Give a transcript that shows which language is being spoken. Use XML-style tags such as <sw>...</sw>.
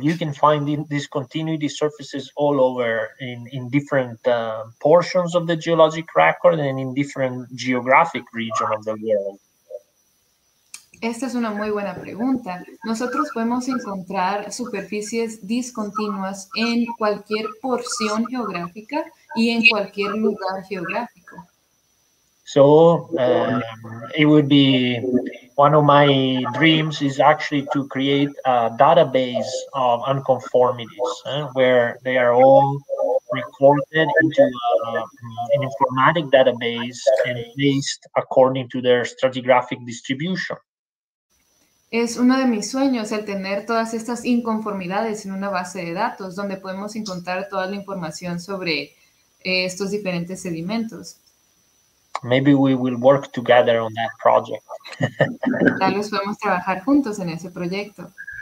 <en>You can find discontinuity surfaces all over in different portions of the geologic record and in different geographic regions of the world.</en> <es>Esta es una muy buena pregunta. Nosotros podemos encontrar superficies discontinuas en cualquier porción geográfica y en cualquier lugar geográfico.</es> <en>So, it would be one of my dreams is actually to create a database of unconformities where they are all recorded into an informatic database and placed according to their stratigraphic distribution.</en> <es>Es uno de mis sueños el tener todas estas inconformidades en una base de datos donde podemos encontrar toda la información sobre estos diferentes sedimentos.</es> <en>Maybe we will work together on that project.</en> <es>Tal vez podemos trabajar juntos en ese proyecto.</es>